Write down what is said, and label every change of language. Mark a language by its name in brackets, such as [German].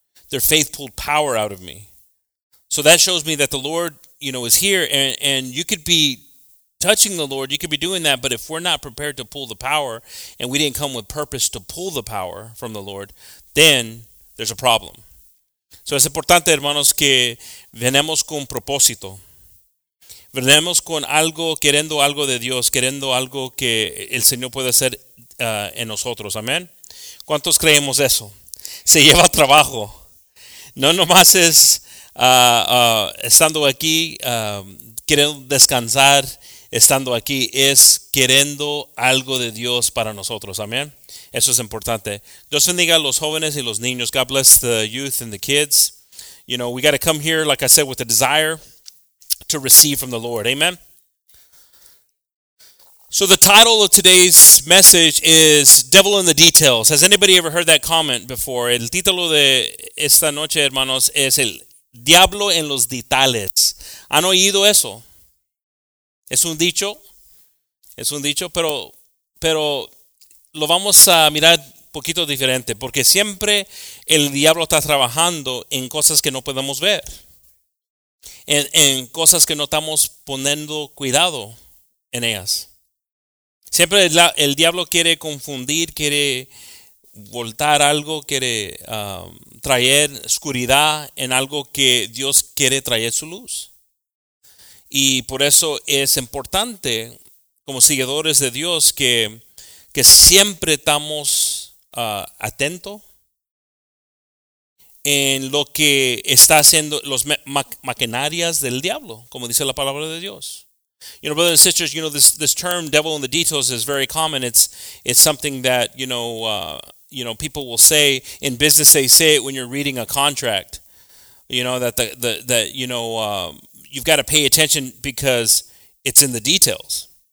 [English] Their faith pulled power out of me." So that shows me that the Lord, you know, is here. And you could be touching the Lord, you could be doing that, but if we're not prepared to pull the power and we didn't come with purpose to pull the power from the Lord, then there's a problem. [Spanish] So es importante, hermanos, que venemos con propósito. Venemos con algo, queriendo algo de Dios, queriendo algo que el Señor puede hacer en nosotros. Amén. ¿Cuántos creemos eso? Se lleva trabajo. No nomás es estando aquí, queriendo descansar, estando aquí es queriendo algo de Dios para nosotros. Amén. Eso es importante. Dios bendiga a los jóvenes y los niños. [English] God bless the youth and the kids. You know, we got to come here, like I said, with a desire to receive from the Lord. Amen. So the title of today's message is Devil in the Details. Has anybody ever heard that comment before? [Spanish] El título de esta noche, hermanos, es el Diablo en los Detalles. ¿Han oído eso? Es un dicho. Es un dicho, pero lo vamos a mirar poquito diferente, porque siempre el diablo está trabajando en cosas que no podemos ver, en cosas que no estamos poniendo cuidado en ellas. Siempre el diablo quiere confundir, quiere voltar algo, quiere traer oscuridad en algo que Dios quiere traer su luz. Y por eso es importante, como seguidores de Dios, que siempre estamos atento en lo que está haciendo los maquinarias del diablo, como dice la palabra de Dios. [English] You know, brothers and sisters, you know, this term devil in the details is very common. It's something that, you know, people will say in business. They say it when you're reading a contract, you know, that you've got to pay attention because it's in the details.